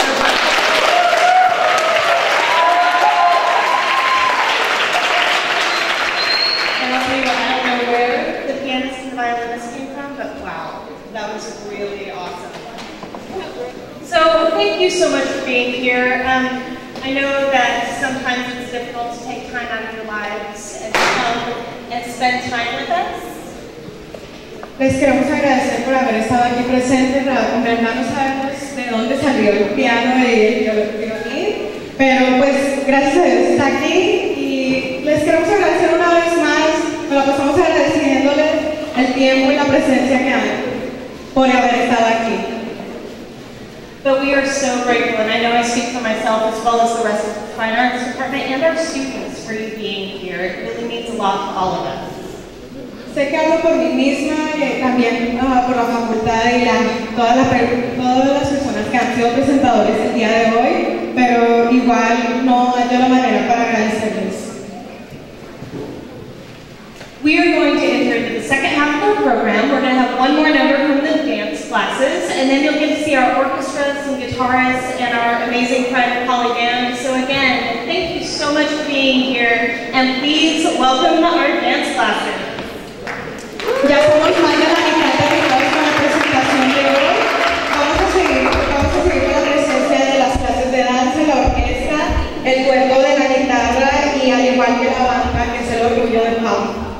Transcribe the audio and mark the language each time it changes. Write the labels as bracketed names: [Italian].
[English] And I'll tell you what, I don't know where the pianist and the violinist came from, but wow, that was really awesome. So thank you so much for being here. I know that sometimes it's difficult to take time out of your lives and come and spend time with us. [Spanish] Les queremos agradecer por haber estado aquí presente, para comprendernos sabemos de dónde salió el piano y el violín, pero pues gracias a Dios está aquí y les queremos agradecer una vez más, nos la pasamos agradeciéndole el tiempo y la presencia que han por haber estado aquí. [English] But we are so grateful, and I know I speak for myself as well as the rest of the Fine Arts Department and our students for you being here. It really means a lot to all of us. [Spanish] Sé que hablo por mí misma y también por la facultad y todas las personas que han sido presentadores el día de hoy, pero igual no hay otra manera para agradecerles. [English] We are going to enter into the second half of our program. We're going to have one more number from the dance classes, and then you'll get to see our orchestras and guitarists and our amazing private poly band. So again, thank you so much for being here, and please welcome to our dance classes. [Spanish] Ya somos más de la mitad de todos con la presentación de hoy. Vamos a seguir con la presencia de las clases de danza, la orquesta, el cuerpo de la guitarra y al igual que la banda, que es el orgullo de Pau.